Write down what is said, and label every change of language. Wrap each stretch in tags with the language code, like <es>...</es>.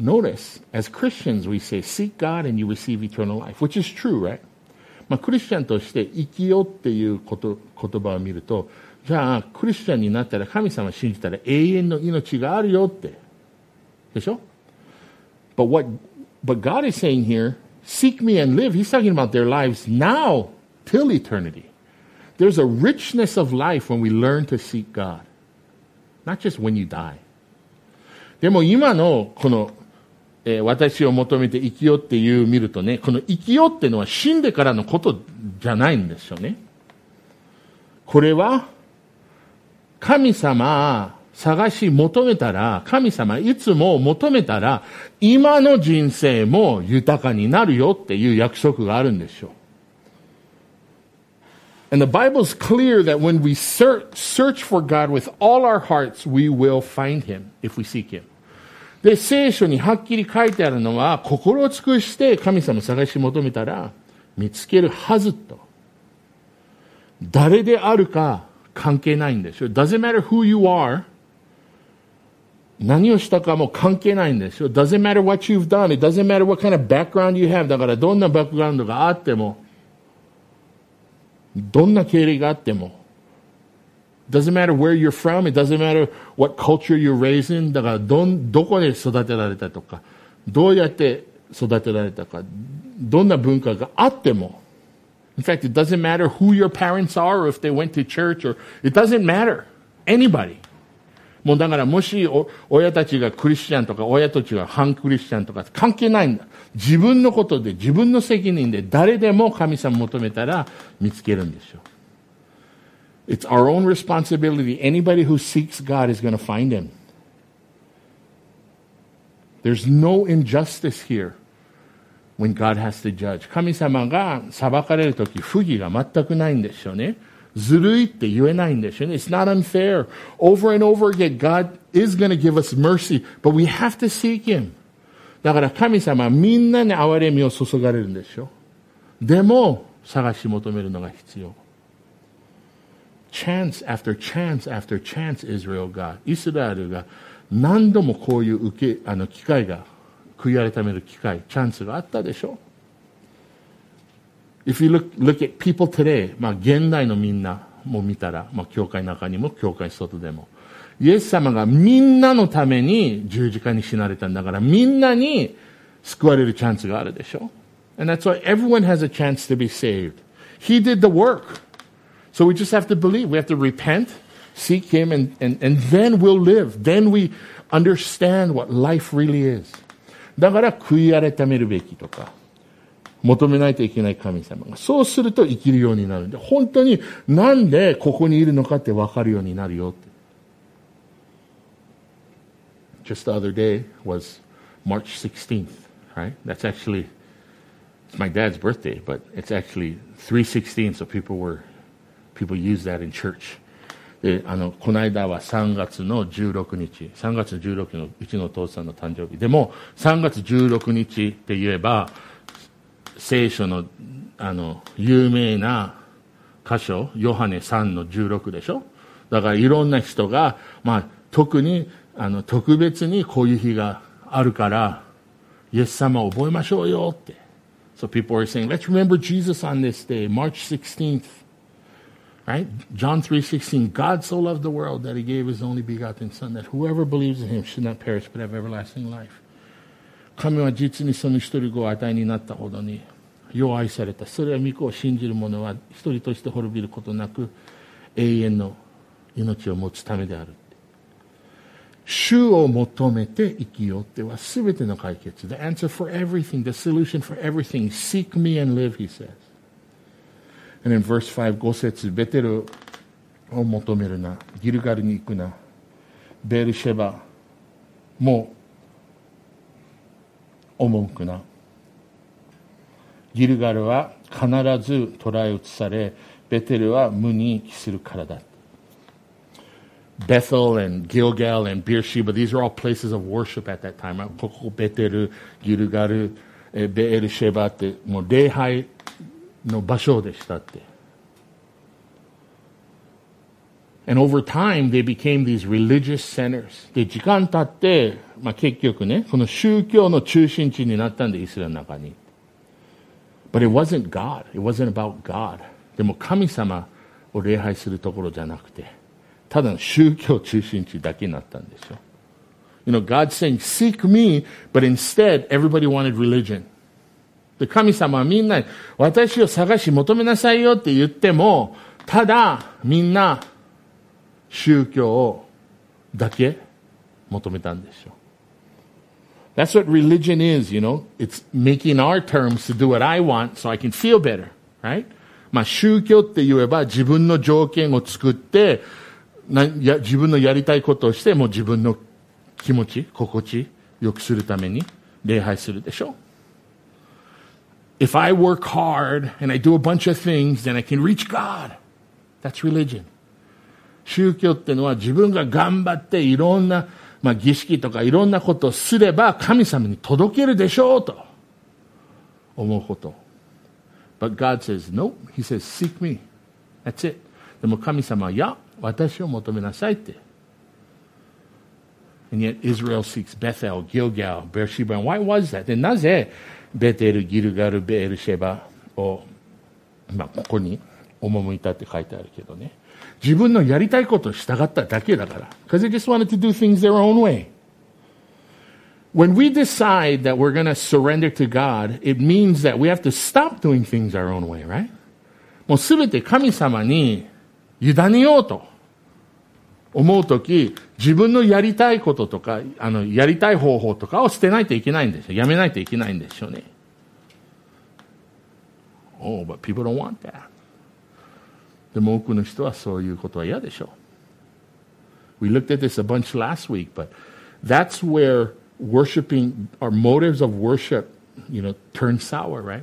<en>Notice, as Christians, we say, seek God and you receive eternal life, which is true, right?</en> <ja>まあ、クリスチャンとして生きようっていうこと、言葉を見ると、じゃあ、クリスチャンになったら神様を信じたら永遠の命があるよって。でしょ?</ja> <en>But God is saying here, seek me and live. He's talking about their lives now till eternity. There's a richness of life when we learn to seek God. Not just when you die.</en> <ja>でも今のこの、私を求めて生きようっていう見るとね、この生きようっていうのは死んでからのことじゃないんですよね。これは神様探し求めたら、神様いつも求めたら今の人生も豊かになるよっていう約束があるんですよ。</ja> <en>And the Bible is clear that when we search for God with all our hearts, we will find Him if we seek Him.</en> <ja>で、聖書にはっきり書いてあるのは、心を尽くして神様を探し求めたら見つけるはずと。誰であるか関係ないんですよ。</ja> <en>Doesn't matter who you are.</en> <ja>何をしたかも関係ないんですよ。</ja> <en>Doesn't matter what you've done. It doesn't matter what kind of background you have.</en> <ja>だからどんなバックグラウンドがあっても、どんな経歴があっても、</ja> <en>doesn't matter where you're from, it doesn't matter what culture you're raised in,</en> <ja>だからどこで育てられたとか、どうやって育てられたか、どんな文化があっても、</ja> <en>in fact, it doesn't matter who your parents are, or if they went to church, or it doesn't matter anybody.</en> <ja>もうだからもし親たちがクリスチャンとか、親たちが反クリスチャンとか、関係ないんだ。自分のことで、自分の責任で、誰でも神様求めたら見つけるんですよ。</ja> <en>It's our own responsibility. Anybody who seeks God is going to find Him. There's no injustice here when God has to judge.</en> <ja>神様が裁かれるとき、不義が全くないんですよね。ずるいって言えないんですよね。</ja> <en>It's not unfair. Over and over again, God is going to give us mercy, but we have to seek Him.</en> <ja>だから神様はみんなに憐れみを注がれるんですよ。でも、探し求めるのが必要。</ja> <en>Chance after chance after chance, Israel が、</en> <ja>イスラエルが何度もこういう受け、あの機会が、悔い改める機会、チャンスがあったでしょ。</ja> <en>If you look at people today,</en> <ja>まあ現代のみんなも見たら、まあ教会の中にも教会外でも、イエス様がみんなのために十字架に死なれたんだから、みんなに救われるチャンスがあるでしょ。</ja> <en>And that's why everyone has a chance to be saved. He did the work. So we just have to believe. We have to repent, seek Him, and then we'll live. Then we understand what life really is.</en> <ja>だから悔い改めるべきとか、求めないといけない神様が、そうすると生きるようになるんで、本当になんでここにいるのかって分かるようになるよって。</ja> <en>Just the other day was March 16th, right? That's actually, it's my dad's birthday, but it's actually 316, so people use that in church.</en> <ja>で、あの、この間は3月の16日、3月16日のうちのお父さんの誕生日。でも、3月16日って言えば、聖書の、あの、有名な箇所、ヨハネ3の16でしょ? だからいろんな人が、まあ、特に、あの、特別にこういう日があるから、イエス様を覚えましょうよって。</ja> <en>So people are saying, let's remember Jesus on this day, March 16th. Right? John 3:16, God so loved the world that he gave his only begotten son that whoever believes in him should not perish but have everlasting life.</en> <ja>神は実にその一人子を与えになったほどに世を愛された。それは御子を信じる者は一人として滅びることなく永遠の命を持つためである。主を求めて生きようっては全ての解決。</ja> <en>The answer for everything, the solution for everything, seek me and live, he says. And in verse 5, 5節、</en> <ja>ベテルを求めるな。ギルガルに行くな。ベルシェバも、赴くな。ギルガルは必ず捕らえ移され、ベテルは無に帰するからだ。</ja> <en>Bethel and Gilgal and Beersheba, these are all places of worship at that time.</en> <ja>ここ、ベテル、ギルガル、ベルシェバって、もう礼拝、の場所でしたって。</ja> <en>And over time, they became these religious centers.</en> <ja>で、時間経って、まあ、結局ね、この宗教の中心地になったんで、イスラエルの中に。</ja> <en>But it wasn't God. It wasn't about God.</en> <ja>でも神様を礼拝するところじゃなくて、ただの宗教中心地だけになったんですよ。</ja> <en>You know, God's saying, seek me, but instead, everybody wanted religion.</en> <ja>で、神様はみんな、私を探し求めなさいよって言っても、ただ、みんな、宗教をだけ求めたんでしょう。</ja> <en>That's what religion is, you know. It's making our terms to do what I want so I can feel better, right?</en> <ja>まあ宗教って言えば自分の条件を作って、自分のやりたいことをして、もう自分の気持ち、心地良くするために礼拝するでしょう。</ja> <en>If I work hard and I do a bunch of things, then I can reach God. That's religion.</en> <ja>宗教ってのは自分が頑張っていろんな、まあ、儀式とかいろんなことをすれば神様に届けるでしょうと思うこと。</ja> <en>But God says, nope. He says, seek me. That's it.</en> <ja>でも神様は、いや、私を求めなさいって。</ja> <en>And yet Israel seeks Bethel, Gilgal, Beersheba. And why was that?</en> <ja>で、なぜベテル、ギルガル、ベールシェバを、まあ、ここに赴いたって書いてあるけどね。自分のやりたいことを従っただけだから。</ja> <en>Because they just wanted to do things their own way. When we decide that we're going to surrender to God, it means that we have to stop doing things our own way, right?</en> <ja>もうすべて神様に委ねようと思うとき、自分のやりたいこととか、やりたい方法とかを捨てないといけないんですよ。やめないといけないんですよね。</ja> <en>Oh, but people don't want that.</en> <ja>でも多くの人はそういうことは嫌でしょう。</ja> <en>We looked at this a bunch last week, but that's where worshiping, our motives of worship, you know, turn sour, right?</en>